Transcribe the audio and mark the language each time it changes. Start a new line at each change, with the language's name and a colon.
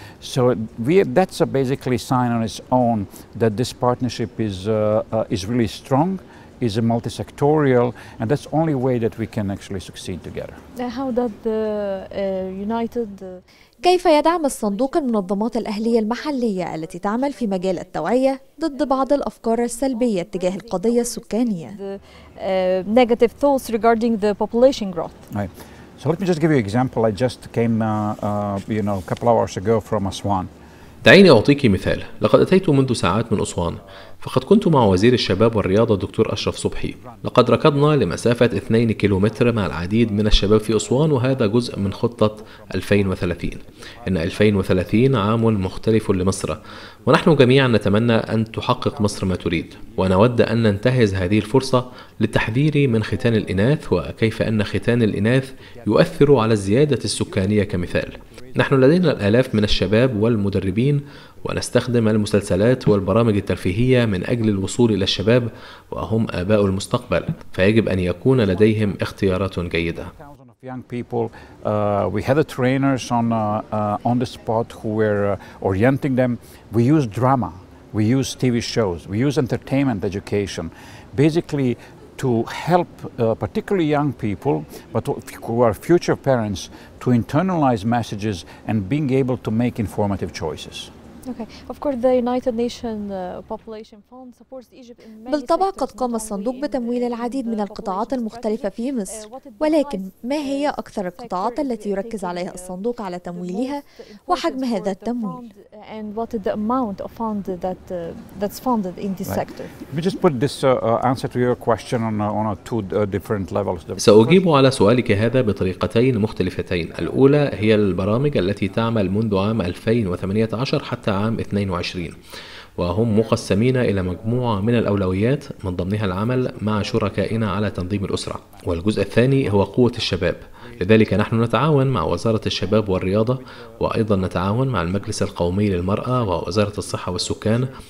English: So that's a basically sign on its own that this partnership is really strong. Is a multi-sectorial, and that's the only way that we can actually succeed together. How does the United?
Arabic: كيف يدعم الصندوق المنظمات الأهلية المحلية التي تعمل في مجال التوعية ضد بعض الأفكار السلبية تجاه القضية السكانية؟
English: Negative thoughts regarding the population growth. Right. So let me just give you an example. I just came, a couple hours ago from Aswan.
Arabic: دعيني أعطيك مثال. لقد أتيت منذ ساعات من أسوان، فقد كنت مع وزير الشباب والرياضة الدكتور أشرف صبحي. لقد ركضنا لمسافة 2 كيلومتر مع العديد من الشباب في أسوان، وهذا جزء من خطة 2030. إن 2030 عام مختلف لمصر، ونحن جميعا نتمنى أن تحقق مصر ما تريد، ونود أن ننتهز هذه الفرصة للتحذير من ختان الإناث وكيف أن ختان الإناث يؤثر على الزيادة السكانية كمثال. نحن لدينا الآلاف من الشباب والمدربين، ونستخدم المسلسلات والبرامج الترفيهية من أجل الوصول إلى الشباب، وهم آباء المستقبل، فيجب أن يكون لديهم اختيارات جيدة.
English: Young people, we had the trainers on the spot who were orienting them. We use drama, we use TV shows, we use entertainment education, basically to help particularly young people, but who are future parents, to internalize messages and being able to make informative choices. Okay. Of course, the United Nations Population Fund supports Egypt.
Arabic: بالطبع قد قام الصندوق بتمويل العديد من القطاعات المختلفة في مصر، ولكن ما هي أكثر القطاعات التي يركز عليها الصندوق على تمويلها وحجم هذا التمويل؟
English: And what is the amount of fund that that's funded in this sector? We just put this answer to your question on two different levels.
Arabic: سأجيب على سؤالك هذا بطريقتين مختلفتين. الأولى هي البرامج التي تعمل منذ عام 2018 حتى عام 22، وهم مقسمين إلى مجموعة من الأولويات من ضمنها العمل مع شركائنا على تنظيم الأسرة. والجزء الثاني هو قوة الشباب، لذلك نحن نتعاون مع وزارة الشباب والرياضة، وأيضا نتعاون مع المجلس القومي للمرأة ووزارة الصحة والسكان.